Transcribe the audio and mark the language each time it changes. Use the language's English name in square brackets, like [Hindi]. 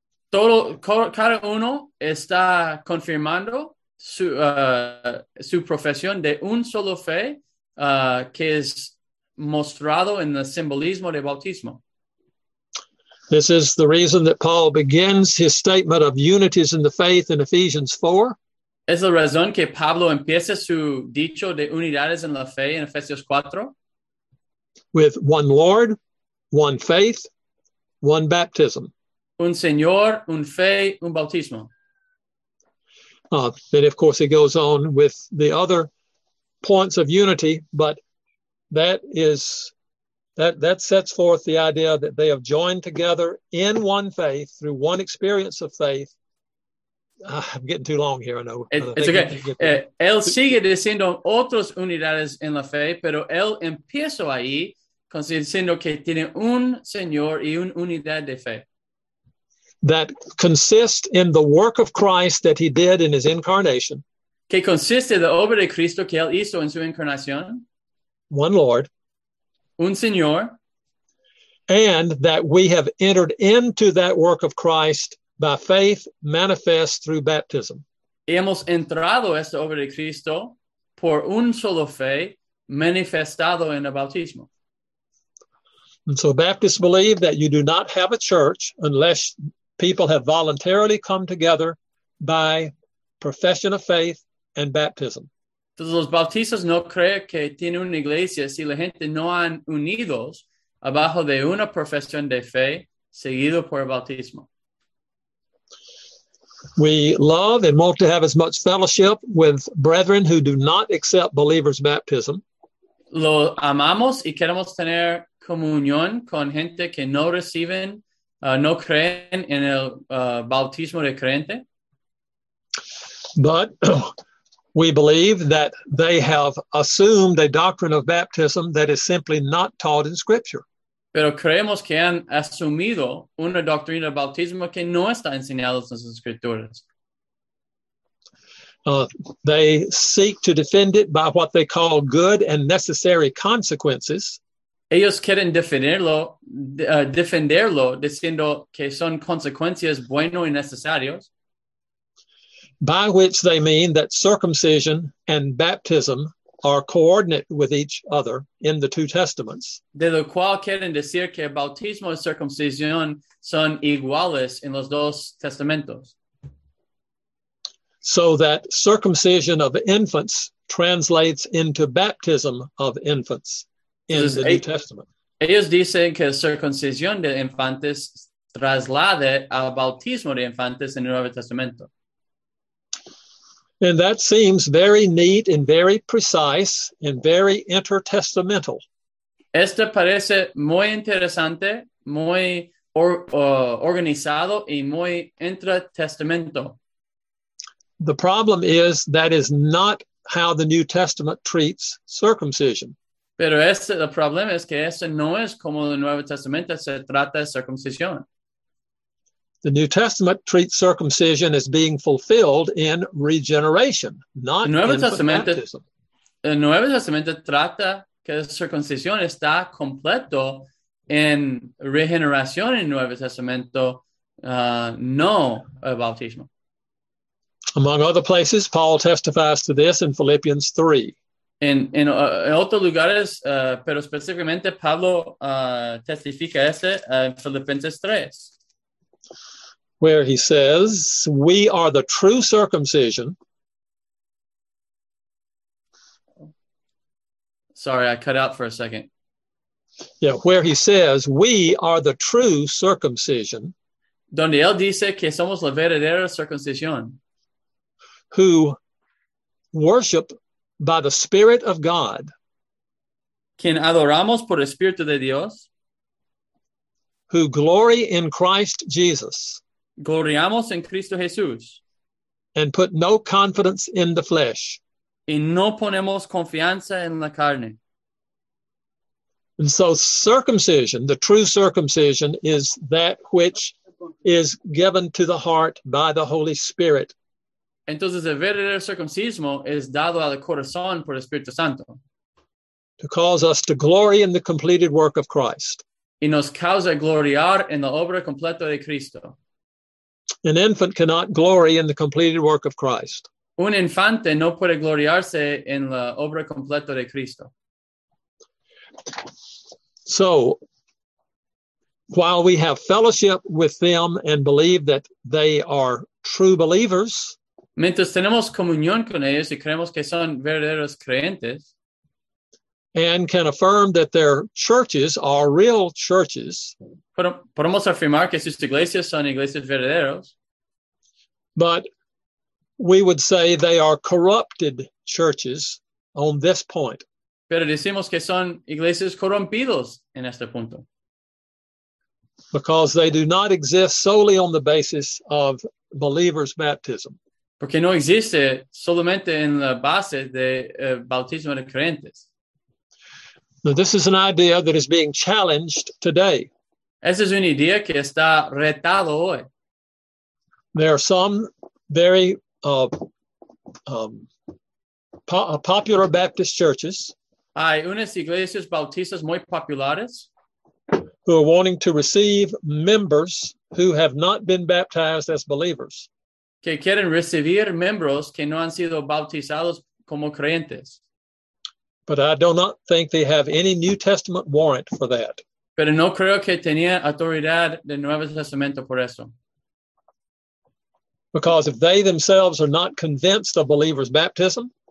[Spanish] Todo, cada uno está confirmando su su profesión de un solo fe que es mostrado en el simbolismo de bautismo. [English] This is the reason that Paul begins his statement of unities in the faith in Ephesians 4. [Spanish] Es la razón que Pablo empieza su dicho de unidades en la fe en Efesios 4. [English] With one Lord, one faith, one baptism. [Spanish] Un Señor, un fe, un bautismo. [English] Then, of course, he goes on with the other points of unity, but that sets forth the idea that they have joined together in one faith through one experience of faith. I'm getting too long here, I know. It's okay. [Spanish] Él sigue diciendo otras unidades en la fe, pero él empieza ahí diciendo que tiene un Señor y una unidad de fe. [English] That consists in the work of Christ that he did in his incarnation. [Spanish] Que consiste de obra de Cristo que él hizo en su encarnación. [English] One Lord. [Spanish] Un Señor. [English] And that we have entered into that work of Christ by faith manifest through baptism. [Spanish] Y hemos entrado esta obra de Cristo por un solo fe manifestado en el bautismo. [English] And so Baptists believe that you do not have a church unless people have voluntarily come together by profession of faith and baptism. [Spanish] Entonces los bautistas no creen que tienen una iglesia si la gente no han unido abajo de una profesión de fe seguido por el bautismo. [English] We love and want to have as much fellowship with brethren who do not accept believers' baptism. [Spanish] Lo amamos y queremos tener comunión con gente que no reciben no creen en el bautismo de creyente. [English] But we believe that they have assumed a doctrine of baptism that is simply not taught in Scripture. [Spanish] Pero creemos que han asumido una doctrina de bautismo que no está enseñada en las Escrituras. [English] They seek to defend it by what they call good and necessary consequences. [Spanish] Ellos quieren defenderlo diciendo que son consecuencias buenos y necesarios. [English] By which they mean that circumcision and baptism are coordinate with each other in the two testaments. [Spanish] De lo cual quieren decir que bautismo y circuncisión son iguales en los dos testamentos. [English] So that circumcision of infants translates into baptism of infants in the New Testament. [Spanish] Ellos dicen que circuncisión de infantes traslade al bautismo de infantes en el Nuevo Testamento. [English] And that seems very neat and very precise and very intertestamental. [Spanish] Esto parece muy interesante, muy organizado y muy intertestamental. [English] The problem is that is not how the New Testament treats circumcision. [Spanish] Pero el problema es que este no es como el Nuevo Testamento se trata de circuncisión. [English] The New Testament treats circumcision as being fulfilled in regeneration, not in baptism. [Spanish] El Nuevo Testamento trata que circuncisión está completo en regeneración en el Nuevo Testamento, no el bautismo. [English] Among other places, Paul testifies to this in Philippians 3. [Spanish] En otros lugares, pero específicamente Pablo testifica este en Filipenses 3. [English] Where he says, we are the true circumcision. Sorry, I cut out for a second. Yeah, where he says, we are the true circumcision. [Spanish] Donde él dice que somos la verdadera circuncisión. [English] Who worship by the Spirit of God. [Spanish] Quien adoramos por el Espíritu de Dios. [English] Who glory in Christ Jesus. [Spanish] Gloriamos en Cristo Jesús. [English] And put no confidence in the flesh. [Spanish] Y no ponemos confianza en la carne. [English] And so circumcision, the true circumcision, is that which is given to the heart by the Holy Spirit. [Spanish] Entonces el verdadero circuncismo es dado al corazón por el Espíritu Santo. [English] To cause us to glory in the completed work of Christ. [Spanish] Y nos causa gloriar en la obra completa de Cristo. [English] An infant cannot glory in the completed work of Christ. [Spanish] Un infante no puede gloriarse en la obra completa de Cristo. [English] So, while we have fellowship with them and believe that they are true believers, [Spanish] mientras tenemos comunión con ellos y creemos que son verdaderos creyentes, [English] and can affirm that their churches are real churches. [Spanish] Podemos afirmar que sus iglesias son iglesias verdaderas. [English] But we would say they are corrupted churches on this point. [Spanish] Pero decimos que son iglesias corrompidos en este punto. [English] Because they do not exist solely on the basis of believers' baptism. [Spanish] Porque no existe solamente en la base de bautismo de creyentes. [English] Now, this is an idea that is being challenged today. [Spanish] Esa es una idea que está retado hoy. [English] There are some very popular Baptist churches. [Spanish] Hay unas iglesias bautistas muy populares. [English] Who are wanting to receive members who have not been baptized as believers. [Spanish] Que quieren recibir miembros que no han sido bautizados como creyentes. [English] But I do not think they have any New Testament warrant for that. [Spanish] Pero no creo que tenía autoridad del Nuevo Testamento por eso. [English] Because if they themselves are not convinced of believers' baptism,